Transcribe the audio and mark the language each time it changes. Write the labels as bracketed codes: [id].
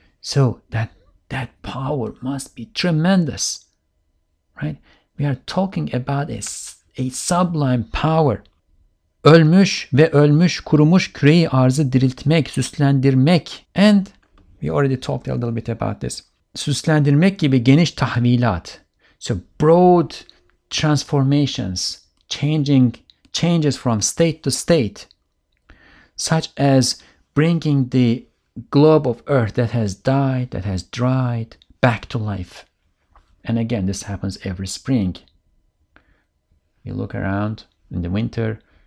[en] So that power must be tremendous. Right? We are talking about a sublime power. [tr] Ölmüş ve ölmüş kurumuş küreyi arzı diriltmek, süslendirmek. [en] And we already talked a little bit about this. [tr] Süslendirmek gibi geniş tahvilat. [en] So broad transformations, changes from state to state. Such as bringing the globe of earth that has died, that has dried, back to life. And again, this happens every spring. We look around in the winter.